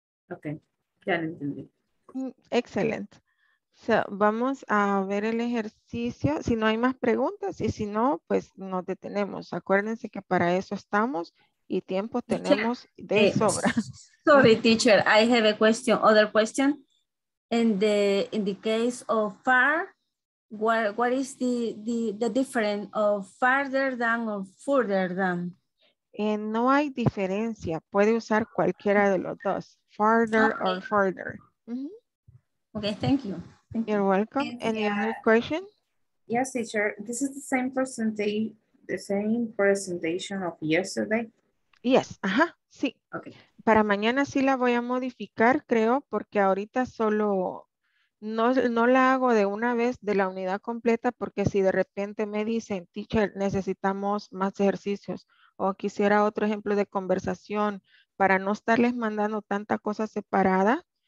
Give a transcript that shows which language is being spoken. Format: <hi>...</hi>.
<es>Ok, ya lo entendí. Excelente. So, vamos a ver el ejercicio. Si no hay más preguntas y si no, pues nos detenemos. Acuérdense que para eso estamos y tiempo tenemos de sobra.</es> <en>Sorry, teacher. I have a question. Other question. In the case of far, what is the difference of farther than or further than?</en> <es>No hay diferencia. Puede usar cualquiera de los dos.</es> <en>Farther okay. Or further. Mm-hmm. Okay, thank you. You're welcome. Any other question? Yes, teacher. This is the same percentage, the same presentation of yesterday. Yes,</en> <es>ajá, sí.</es> <en>Okay.</en> <es>Para mañana sí la voy a modificar, creo, porque ahorita solo no la hago de una vez de la unidad completa, porque si de repente me dicen, teacher, necesitamos más ejercicios, o quisiera otro ejemplo de conversación para no estarles mandando tanta cosa separada.</es>